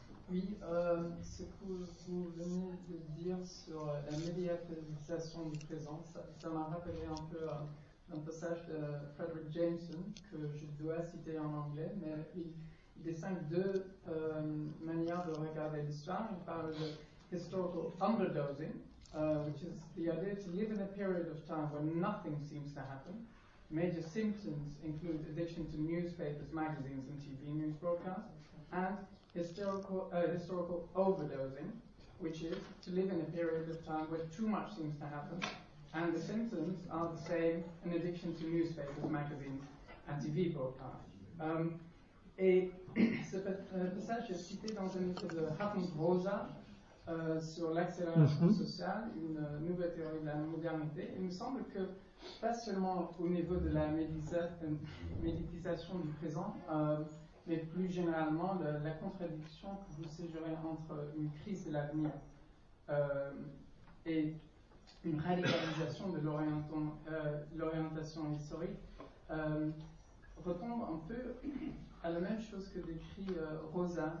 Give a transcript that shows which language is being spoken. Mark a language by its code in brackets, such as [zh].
[fr] Oui, ce que vous venez de dire sur la médiatisation du présent, ça m'a rappelé un peu un passage de Frederick Jameson que je dois citer en anglais, mais il distingue deux manières de regarder l'histoire. Il parle de [en] historical underdosing, which is the idea to live in a period of time where nothing seems to happen. Major symptoms include addiction to newspapers, magazines, and TV news broadcasts, and historical overdosing, which is to live in a period of time where too much seems to happen, and the symptoms are the same, an addiction to newspapers, magazines, and TV broadcasts. [fr] Et ce passage est cité dans un livre de Hartmut Rosa sur l'accélération sociale, une nouvelle théorie de la modernité. Il me semble que, pas seulement au niveau de la médiatisation du présent, mais plus généralement, la contradiction que vous suggérez entre une crise de l'avenir et une radicalisation de l'orientation historique retombe un peu à la même chose que décrit Rosa.